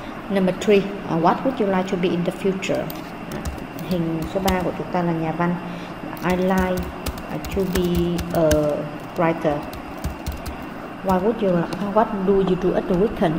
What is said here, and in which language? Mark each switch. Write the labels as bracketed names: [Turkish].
[English] Number 3, what would you like to be in the future? [Vietnamese] Hình số 3 của chúng ta là nhà văn. [English] I like to be a writer. Why would you like, what do you do at the weekend?